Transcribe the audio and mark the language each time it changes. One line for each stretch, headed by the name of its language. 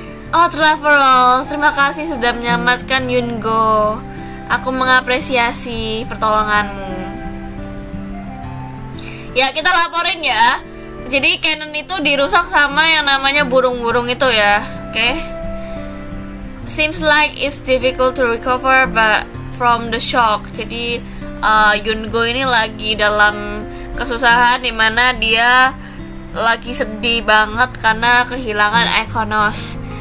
Indonesian: Oh, Travelers, terima kasih sudah menyelamatkan Yungo. Aku mengapresiasi pertolonganmu. Ya, kita laporin ya. Jadi cannon itu dirusak sama yang namanya burung-burung itu ya. Oke. Okay.
English: Seems like it's difficult to recover but from the shock.
Indonesian: Jadi Yungo ini lagi dalam kesusahan di mana dia lagi sedih banget karena kehilangan Iconos.